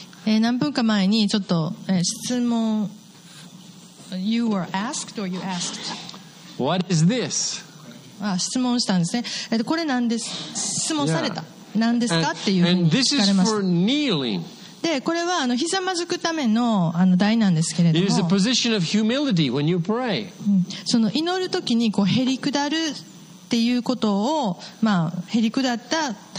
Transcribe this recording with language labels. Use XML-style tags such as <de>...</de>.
<ja>何分か前にちょっと質問。</ja> <en>You were asked or you asked? What is this?</en> <ja>質問したんですね。これ何です？質問された。何ですか？っていうふうに聞かれました。</ja> <en>And this is for kneeling.</en> <ja>でこれはひざまずくための台なんですけれども</ja> <en>It is a position of humility when you pray.</en> <ja>その祈るときにこうへり下るっていうことを、まあ、へり下った</ja>